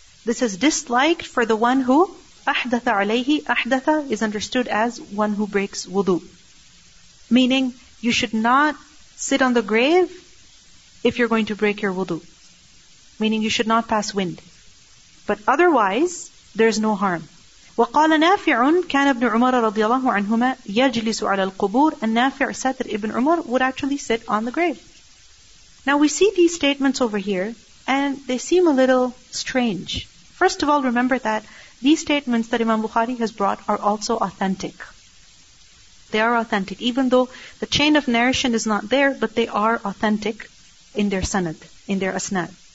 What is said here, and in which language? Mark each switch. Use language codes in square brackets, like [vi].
[en] This is disliked for the one who [ar] أحدث عليه. [en] أحدث is understood as one who breaks wudu. Meaning, you should not sit on the grave if you're going to break your wudu. Meaning, you should not pass wind. But otherwise, there's no harm. [ar] وقال نافع كان ابن عمر رضي الله عنهما يجلس على القبور. [en] And نافع said that Ibn Umar would actually sit on the grave. Now we see these statements over here, and they seem a little strange. First of all, remember that these statements that Imam Bukhari has brought are also authentic. They are authentic, even though the chain of narration is not there, but they are authentic in their sanad, in their asnad.